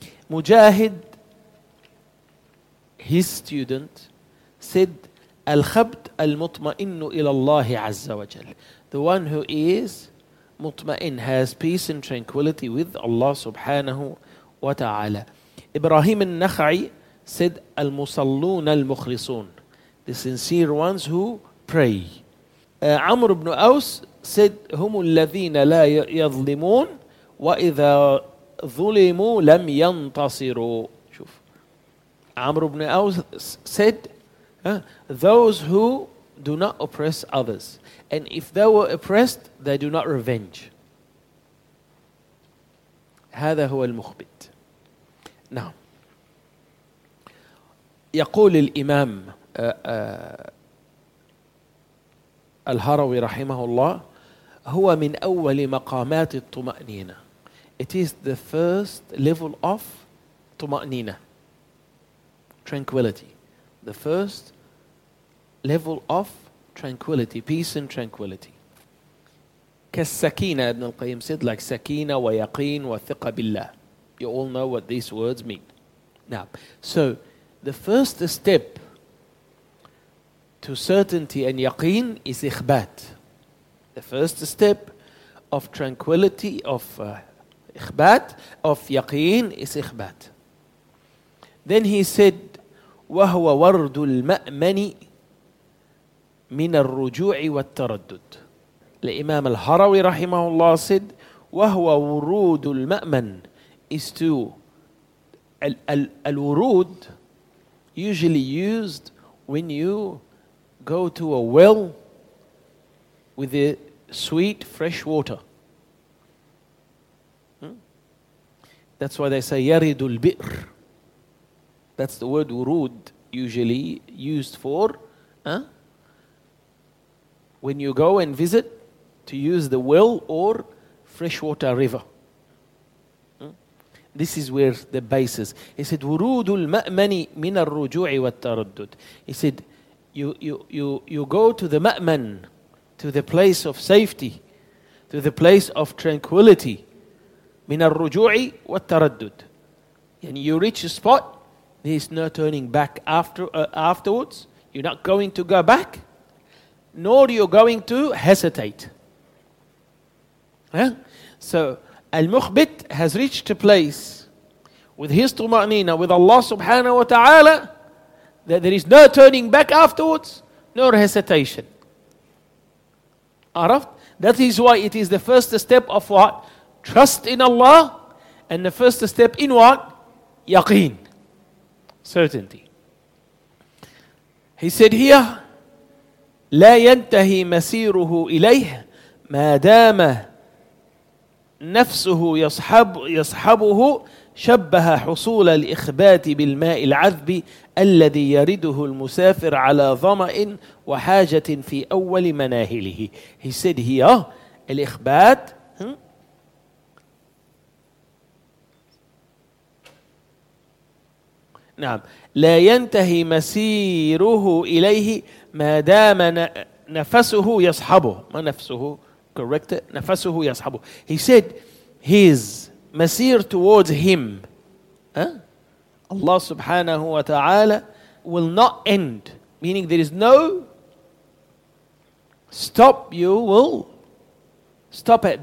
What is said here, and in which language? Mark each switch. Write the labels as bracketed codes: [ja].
[en] Mujahid, his student, said, [ar] Al-khabt al-mutma'innu ila Allah azza wa jal. [en] The one who is mutma'in, has peace and tranquility with Allah subhanahu wa ta'ala. Ibrahim al-Nakhai said, [ar] al-musalloon al-mukhlisoon. [en] The sincere ones who pray. [ar] Amr ibn Aws [en] said, [ar] هُمُ الَّذِينَ لَا يَظْلِمُونَ وَإِذَا ظُلِمُوا لَمْ يَنْتَصِرُوا. شوف. [en] Amr ibn Aws said, those who do not oppress others. And if they were oppressed, they do not revenge. [ar] هذا هو المخبت. [en] Now, [ar] يقول الإمام الهروي رحمه الله هو من أول مقامات الطمأنينة. [en] It is the first level of طمأنينة. Tranquility. The first level of tranquility, peace and tranquility. [ar] كالسكينة ابن القيم [en] said, like [ar] سكينة ويقين وثقة بالله. [en] You all know what these words mean. Now, so the first step to certainty and yaqeen is إخبات. The first step of tranquility, of إخبات, of يقين is إخبات. Then he said, [ar] وهو ورد المأمن من الرجوع والتردد. [en] الإمام الهروي رحمه الله said, [ar] وهو ورود المأمن [en] is to الورود usually used when you go to a well with a sweet fresh water. That's why they say [ar] يرد البئر. [en] That's the word ورود usually used for when you go and visit to use the well or freshwater river. This is where the base is. He said [ar] ورود المأمن من الرجوع والتردد. [en] He said you go to the مأمن, to the place of safety, to the place of tranquility, [ar] من الرجوع والتردد. [en] And you reach a spot, there's no turning back afterwards. You're not going to go back, nor you're going to hesitate. So المخبت has reached a place with his طمأنينة, with Allah subhanahu wa ta'ala, that there is no turning back afterwards, nor hesitation. Araf? That is why it is the first step of what? Trust in Allah, and the first step in what? Yaqeen. Certainty. He said here, [ar] لا ينتهي مسيره إليه ما دام نفسه يصحبه شبه حصول الإخبات بالماء العذب الذي يرده المسافر على ظمأ وحاجة في أول مناهله. [en] He said here, [ar] الإخبات نعم لا ينتهي مسيره إليه ما دام نفسه يصحبه. ما نفسه [en] correct it. [ar] نفسه يصحبه. [en] He said his مسير towards him, Allah subhanahu wa ta'ala will not end, meaning there is no stop, you will stop it.